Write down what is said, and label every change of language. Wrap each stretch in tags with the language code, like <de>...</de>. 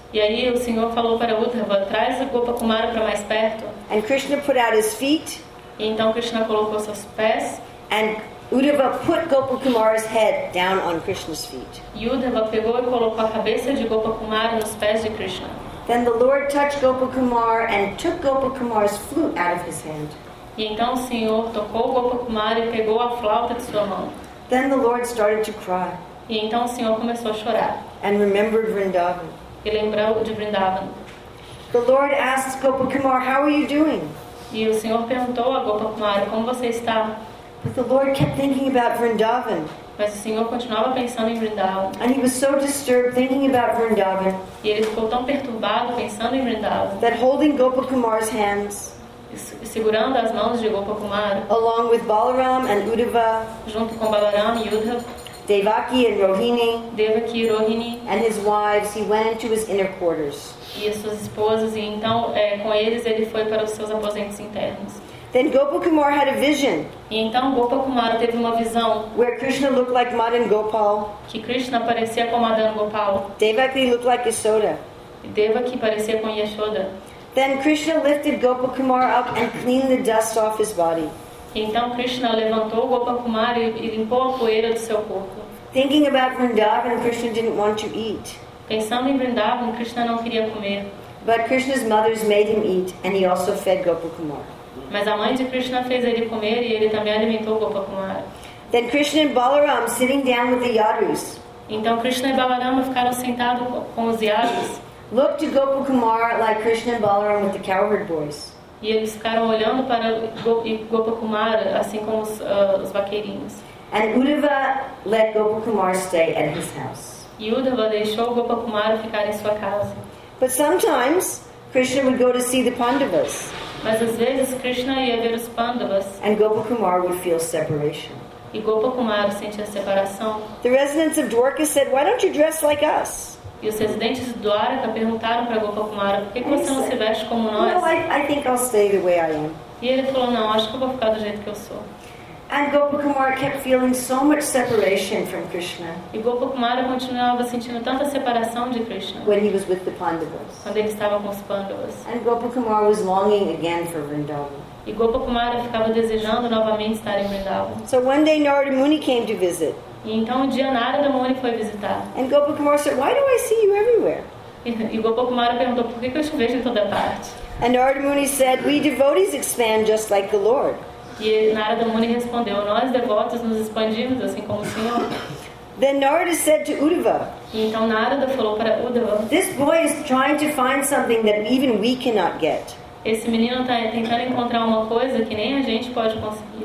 <pt>E aí o Senhor falou para Uddhava, traz a Gopakumara para mais perto.</pt> <en>And Krishna put out his feet.</en> <pt>E então Krishna colocou seus pés.</pt> <en>And Uddhava put Gopakumara's head down on Krishna's feet.</en> <pt>Uddhava pegou e colocou a cabeça de Gopakumara nos pés de Krishna.</pt> <en>Then the Lord touched Gopakumara and took Gopakumara's flute out of his hand.</en> <pt>E então o Senhor tocou Gopakumara e pegou a flauta de sua mão.</pt> <en>Then the Lord started to cry.</en> <pt>E então o Senhor começou a chorar.</pt> <en>And remembered Vrindavan.</en> <pt>E lembrou de Vrindavan.</pt> <en>The Lord asked Gopakumara, "How are you doing?"</en> <pt>E o Senhor perguntou a Gopakumara, "Como você está?"</pt> <en>But the Lord kept thinking about Vrindavan.</en> <pt>Mas o Senhor continuava pensando em Vrindavan.</pt> <en>And he was so disturbed thinking about Vrindavan.</en> <pt>E ele ficou tão perturbado pensando em Vrindavan.</pt> <en>That holding Gopakumara's hands,</en> <pt>segurando as mãos de Gopakumara,</pt> <en>along with Balaram and Uddhava,</en> <pt>junto com Balaram e Uddhava,</pt> <en>Devaki and Rohini,</en> <pt>Devaki e Rohini,</pt> <en>and his wives, he went into his inner quarters.</en> <pt>E as suas esposas, e então com eles ele foi para os seus aposentos internos.</pt> <en>Then Gopakumara had a vision.</en> <pt>E então Gopakumara teve uma visão.</pt> <en>Where Krishna looked like Madan Gopal.</en> <pt>Que Krishna parecia com Madan Gopal.</pt> <en>Devaki looked like Yashoda.</en> <pt>Devaki parecia com Yashoda.</pt> <en>Then Krishna lifted Gopakumara up and cleaned the dust off his body.</en> <pt>E então Krishna levantou Gopakumara e limpou a poeira do seu corpo.</pt> <en>Thinking about Vrindavan, Krishna didn't want to eat.</en> <pt>Pensando em Vrindavan, Krishna não queria comer.</pt> <en>But Krishna's mothers made him eat, and he also fed Gopakumara.</en> <pt>Mas a mãe de Krishna fez ele comer e ele também alimentou Gopakumara.</pt> <en>Then Krishna and Balaram sitting down with the yadus.</en> <pt>Então Krishna e Balaram ficaram sentados com os yadus.</pt> <en>Looked to Gopakumara like Krishna and Balaram with the cowherd boys.</en> <pt>E eles ficaram olhando para Gopakumara assim como os vaqueirinhos.</pt> <en>And Uddhava let Gopakumara stay at his house.</en> <pt>E Uddhava deixou Gopakumara ficar em sua casa.</pt> <en>But sometimes Krishna would go to see the Pandavas.</en> <pt>Mas às vezes Krishna ia ver os Pandavas.</pt> <en>And Gopakumara would feel separation.</en> <pt>E Gopakumara sentia separação.</pt> <en>The residents of Dwarka said, "Why don't you dress like us?"</en> <pt>E os residentes de Dwarka perguntaram para Gopakumara, "Por que você não se veste como nós?"</pt> <en>"No, I think I'll stay the way I am."</en> <pt>E ele falou, "Não, acho que eu vou ficar do jeito que eu sou."</pt> <en>And Gopakumara kept feeling so much separation from Krishna.</en> <pt>E Gopakumara continuava sentindo tanta separação de Krishna.</pt> <en>When he was with the Pandavas.</en> <pt>Quando ele estava com os Pandavas.</pt> <en>And Gopakumara was longing again for Vrindavan.</en> <pt>E Gopakumara ficava desejando novamente estar em Vrindavan.</pt> <en>So one day Narada Muni came to visit.</en> <pt>E então um dia Narada Muni foi visitar.</pt> <en>And Gopakumara said, "Why do I see you everywhere?"</en> <pt>E Gopakumara perguntou, "Por que eu te vejo em toda parte?"</pt> <en>And Narada Muni said, "We devotees expand just like the Lord."</en> <pt>E Narada Muni respondeu, "Nós devotos nos expandimos assim como o Senhor."</pt> <en>Then Narada said to Uddhava.</en> <pt>E então Narada falou para Uddhava.</pt> <en>"This boy is trying to find something that even we cannot get."</en> <pt>Esse menino está tentando encontrar uma coisa que nem a gente pode conseguir.</pt>